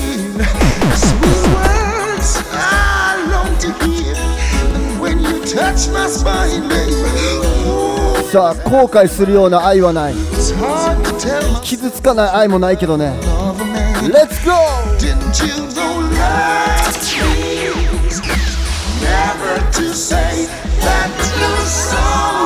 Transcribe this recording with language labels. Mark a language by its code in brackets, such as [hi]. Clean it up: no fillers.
[en] Smooth words I long to hear, when you touch my spine, baby. [ja] さあ、後悔するような愛はない。 [en] It's hard to tell my story. [ja] 傷つかない愛もないけどね。 [en] Let's go! Didn't you know love means never to say that you're sorry?